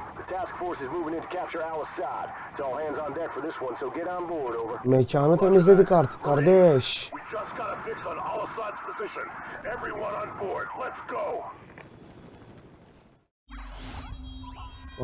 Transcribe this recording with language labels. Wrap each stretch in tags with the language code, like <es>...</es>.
<en>Task force is moving in to capture Al-Assad. It's all hands on deck for this one, so get on board, over.</en> <tr>Mekanı temizledik artık, kardeş.</tr> <en>We just got a fix on Al-Assad's position. Everyone on board, let's go.</en>